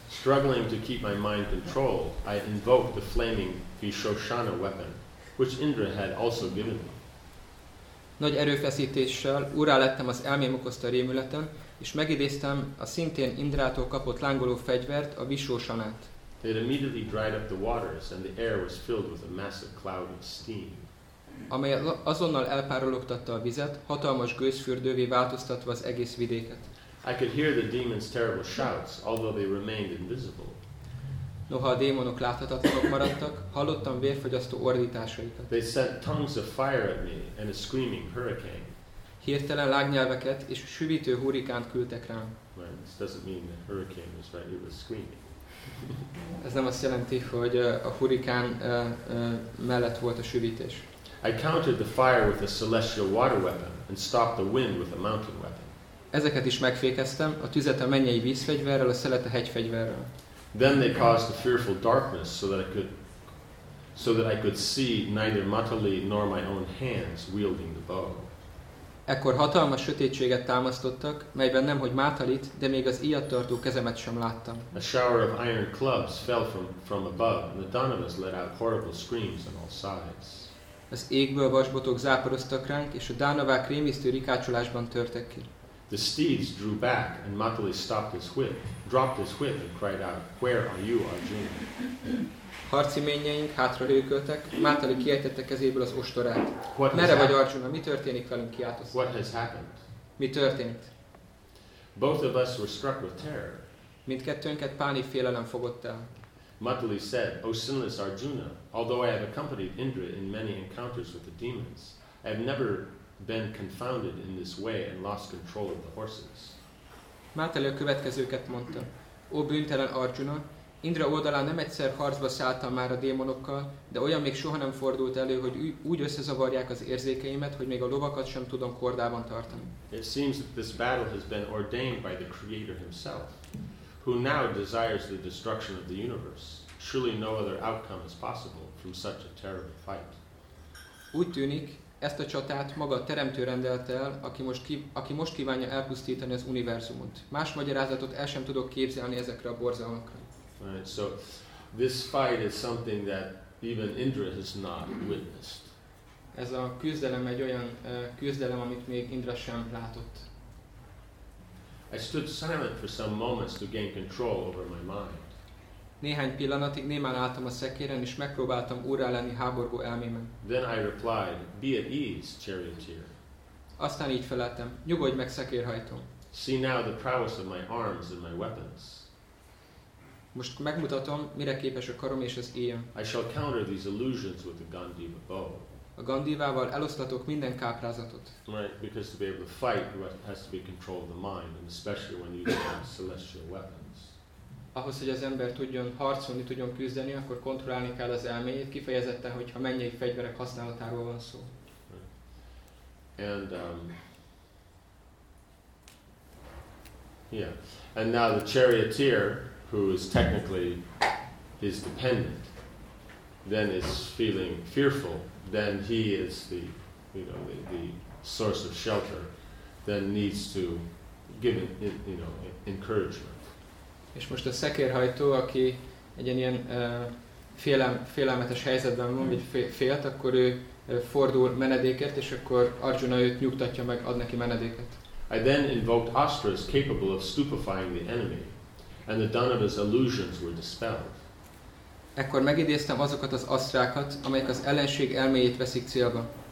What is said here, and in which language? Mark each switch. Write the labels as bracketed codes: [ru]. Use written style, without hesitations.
[en] Struggling to keep my mind controlled, I invoked the flaming Vishoshana weapon, which Indra had also given me. [hu] Nagy erőfeszítéssel úrrá lettem az elmém okozta rémületen, és megidéztem a szintén Indrától kapott lángoló fegyvert, a Vishoshanát. [en] It immediately dried up the waters, and the air was filled with a massive cloud of steam. [hu] Amely azonnal elpárologtatta a vizet, hatalmas gőzfürdővé változtatva az egész vidéket. [en] I could hear the demons' terrible shouts, although they remained invisible. [hu] Noha a démonok láthatatlanok maradtak, hallottam vérfogyasztó ordításaikat. [en] They sent tongues of fire at me and a screaming hurricane. [hu] Hirtelen lágnyelveket és süvítő hurrikánt küldtek rám. [en] Well, this doesn't mean the hurricane was right, it was screaming. [hu] Ez nem azt jelenti, hogy a hurrikán mellett volt a süvítés. [en] I countered the fire with a celestial water weapon and stopped the wind with a mountain weapon. [hu] Ezeket is megfékeztem, a tüzet a mennyei vízfegyverrel, a szelet a hegyfegyverrel. [en] Then they caused a fearful darkness so that I could see neither Matali nor my own hands wielding the bow. [hu] Ekkor hatalmas sötétséget támasztottak, melyben nemhogy Matalit, de még az íjat tartó kezemet sem láttam. [en] A shower of iron clubs fell from above, and the Dánavas let out horrible screams on all sides. [hu] Az égből vasbotok záporoztak ránk, és a dánavák rémisztő rikácsolásban törtek ki. [en] The steeds drew back, and Matali stopped his whip, dropped his whip, and cried out, "Where are you, Arjuna?" [hu] Harci ményeink hátra hőköltek, Matali kiejtette kezéből az ostorát. Merre vagy Arjuna? Mi történik velünk? Kiáltozta. [en] What has happened? [hu] Mi történt? [en] Both of us were struck with terror. [hu] Mindkettőnket pánik félelem fogott el. [en] Matali said, "O sinless Arjuna, although I have accompanied Indra in many encounters with the demons, I have never been confounded in this way and lost control of the horses." [hu] Matali a következőket mondta. Ó bűntelen Arjuna, Indra oldalán nem egyszer harcba szálltam már a démonokkal, de olyan még soha nem fordult elő, hogy úgy összezavarják az érzékeimet, hogy még a lovakat sem tudom kordában tartani. [en] It seems that this battle has been ordained by the Creator himself, who now desires the destruction of the universe. Surely no other outcome is possible from such a terrible fight. [hu] Úgy tűnik, ezt a csatát maga a Teremtő rendelte el, aki most kívánja elpusztítani az univerzumot. Más magyarázatot el sem tudok képzelni ezekre a borzalmakra. [en] Right, so this fight is something that even Indra has not witnessed. [hu] Ez a küzdelem egy olyan küzdelem, amit még Indra sem látott. [en] I stood silent for some moments to gain control over my mind. [hu] Néhány pillanatig némán álltam a szekéren, és megpróbáltam úrrá lenni háborgó elmémen. [en] Then I replied, "Be at ease, charioteer." [hu] Aztán így feleltem, "Nyugodj meg, szekérhajtó." [en] See now the prowess of my arms and my weapons. [hu] Most megmutatom, mire képes a karom és az íjam. [en] I shall counter these illusions with the Gandiva bow. [hu] A Gandivával eloszlatok minden káprázatot. [en] Right, because to be able to fight, what has to be control of the mind, and especially when using celestial weapons. [hu] Ahhoz, hogy az ember tudjon harcolni, tudjon küzdeni, akkor kontrollálni kell az elmét, kifejezetten, hogyha mennyi fegyverek használatáról van szó. [en] Right. And yeah, and now the charioteer, who is technically his dependent, then is feeling fearful. Then he is the, you know, the source of shelter. Then needs to give him, you know, encouragement. [hu] És most a szekérhajtó, aki egy ilyen félelmetes helyzetben van, vagy félt, akkor ő fordul menedékért, és akkor Arjuna őt nyugtatja meg, ad neki menedéket. [en] I then invoked astras capable of stupefying the enemy, and the Danava's illusions were dispelled. [hu] Ekkor megidéztem azokat az asztrákat, amelyek az ellenség elméjét veszik célba.